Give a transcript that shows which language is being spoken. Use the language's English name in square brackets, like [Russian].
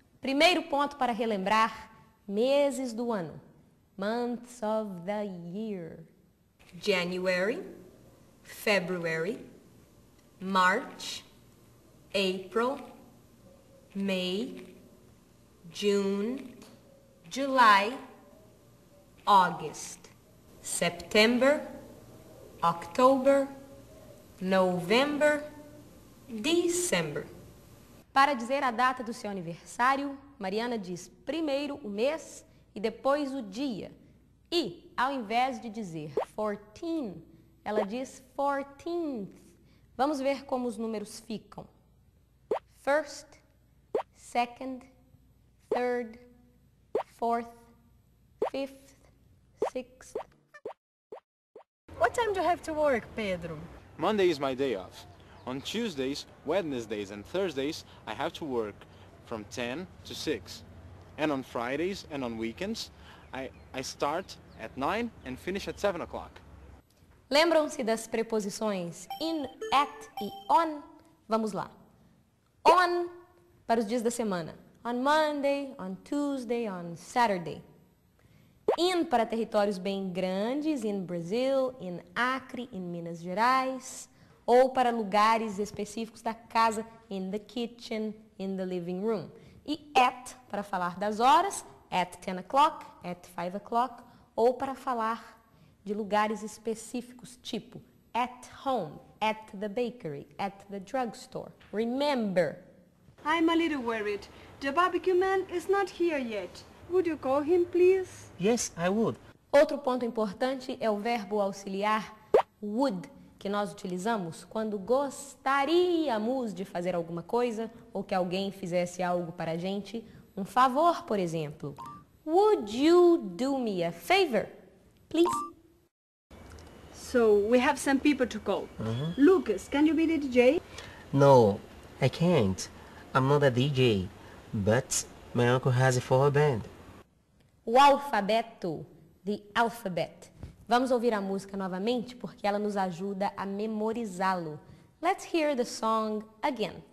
[Portuguese] Primeiro ponto para relembrar, meses do ano. [English] Months of the year. January, February, March, April, May, June, July, August, September, October, November, December. [Portuguese] Para dizer a data do seu aniversário, Mariana diz primeiro o mês e depois o dia. E, ao invés de dizer 14, ela diz 14th. Vamos ver como os números ficam. [English] First, second, third, fourth, fifth, sixth. What time do you have to work, Pedro? Monday is my day off. On Tuesdays, Wednesdays and Thursdays, I have to work from 10 to 6. And on Fridays and on weekends, I start at 9 and finish at 7 o'clock. [Portuguese] Lembram-se das preposições in, at e on? Vamos lá. On, para os dias da semana. [English] On Monday, on Tuesday, on Saturday. [Portuguese] In, para territórios bem grandes, [English] in Brazil, in Acre, in Minas Gerais. [Portuguese] Ou para lugares específicos da casa, [English] in the kitchen, in the living room. [Portuguese] E at, para falar das horas, [English] at 10 o'clock, at 5 o'clock, [Portuguese] ou para falar de lugares específicos, tipo [English] at home, at the bakery, at the drugstore. Remember! I'm a little worried. The barbecue man is not here yet. Would you call him, please? Yes, I would. [Portuguese] Outro ponto importante é o verbo auxiliar would, que nós utilizamos quando gostaríamos de fazer alguma coisa ou que alguém fizesse algo para a gente. Um favor, por exemplo. [English] Would you do me a favor, please? So, we have some people to call. Uh-huh. Lucas, can you be the DJ? No, I can't. I'm not a DJ. But my uncle has a four band. [Portuguese] O alfabeto. [English] The alphabet. [Portuguese] Vamos ouvir a música novamente porque ela nos ajuda a memorizá-lo. [English] Let's hear the song again.